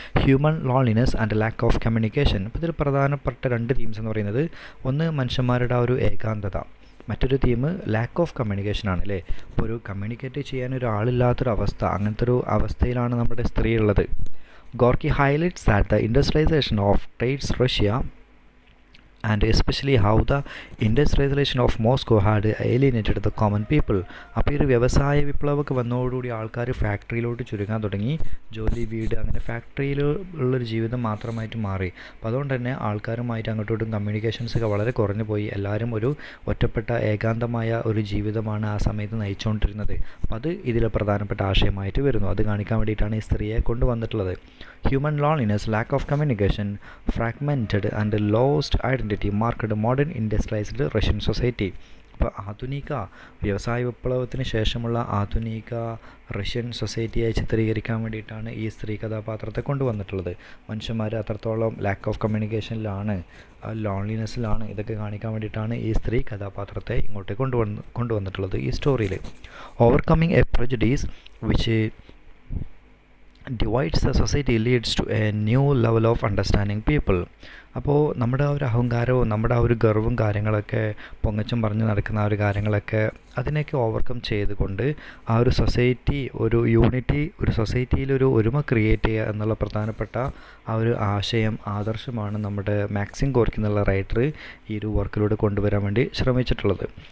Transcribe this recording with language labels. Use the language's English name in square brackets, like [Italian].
[English] Human loneliness and lack of communication. [Malayalam] അപ്പോൾ ഇതിൽ പ്രധാനപ്പെട്ട രണ്ട് തീംസ് എന്ന് പറയുന്നത്, ഒന്ന് മനുഷ്യന്മാരുടെ ആ ഒരു ഏകാന്തത, മറ്റൊരു തീം ലാക്ക് ഓഫ് കമ്മ്യൂണിക്കേഷൻ ആണ് അല്ലേ. ഇപ്പോൾ ഒരു കമ്മ്യൂണിക്കേറ്റ് ചെയ്യാൻ ഒരാളില്ലാത്തൊരു അവസ്ഥ, അങ്ങനത്തെ ഒരു അവസ്ഥയിലാണ് നമ്മുടെ സ്ത്രീ ഉള്ളത്. [English] Gorky highlights that the industrialisation of trades Russia and especially how the industrialization of Moscow had alienated the common people. [Malayalam] അപ്പോൾ ഒരു വ്യവസായ വിപ്ലവമൊക്കെ വന്നതോടുകൂടി ആൾക്കാർ ഫാക്ടറിയിലോട്ട് ചുരുങ്ങാൻ തുടങ്ങി. ജോലി, വീട്, അങ്ങനെ ഫാക്ടറിയിൽ ഉള്ളൊരു ജീവിതം മാത്രമായിട്ട് മാറി. അപ്പോൾ അതുകൊണ്ട് തന്നെ ആൾക്കാരുമായിട്ട് അങ്ങോട്ടോട്ടും കമ്മ്യൂണിക്കേഷൻസ് ഒക്കെ വളരെ കുറഞ്ഞു പോയി. എല്ലാവരും ഒരു ഒറ്റപ്പെട്ട ഏകാന്തമായ ഒരു ജീവിതമാണ് ആ സമയത്ത് നയിച്ചുകൊണ്ടിരുന്നത്. അപ്പോൾ അത് ഇതിലെ പ്രധാനപ്പെട്ട ആശയമായിട്ട് വരുന്നു. അത് കാണിക്കാൻ വേണ്ടിയിട്ടാണ് ഈ സ്ത്രീയെ കൊണ്ടുവന്നിട്ടുള്ളത്. [English] Human loneliness, lack of communication, fragmented and lost identity marked modern industrialised Russian society. [Malayalam] അപ്പോൾ ആധുനിക വ്യവസായ വിപ്ലവത്തിന് ശേഷമുള്ള ആധുനിക റഷ്യൻ സൊസൈറ്റിയെ ചിത്രീകരിക്കാൻ വേണ്ടിയിട്ടാണ് ഈ സ്ത്രീ കഥാപാത്രത്തെ കൊണ്ടുവന്നിട്ടുള്ളത്. മനുഷ്യന്മാർ അത്രത്തോളം ലാക്ക് ഓഫ് കമ്മ്യൂണിക്കേഷനിലാണ്, ലോൺലിനെസ്സിലാണ്, ഇതൊക്കെ കാണിക്കാൻ വേണ്ടിയിട്ടാണ് ഈ സ്ത്രീ കഥാപാത്രത്തെ ഇങ്ങോട്ട് കൊണ്ടുവന്നിട്ടുള്ളത് ഈ സ്റ്റോറിയിൽ. [English] Overcoming a prejudice which divides the society leads to a new level of understanding people. [Malayalam] അപ്പോൾ നമ്മുടെ ആ ഒരു അഹങ്കാരവും നമ്മുടെ ആ ഒരു ഗർവവും കാര്യങ്ങളൊക്കെ പൊങ്ങച്ചും പറഞ്ഞ് നടക്കുന്ന ആ ഒരു കാര്യങ്ങളൊക്കെ അതിനെയൊക്കെ ഓവർകം ചെയ്തുകൊണ്ട് ആ ഒരു സൊസൈറ്റി ഒരു യൂണിറ്റി ഒരു സൊസൈറ്റിയിലൊരു ഒരുമ ക്രിയേറ്റ് ചെയ്യുക എന്നുള്ള പ്രധാനപ്പെട്ട ആ ഒരു ആശയം ആദർശമാണ് നമ്മുടെ മാക്സിം ഗോർക്കി എന്നുള്ള റൈറ്റർ ഈ ഒരു വർക്കിലൂടെ കൊണ്ടുവരാൻ വേണ്ടി ശ്രമിച്ചിട്ടുള്ളത്.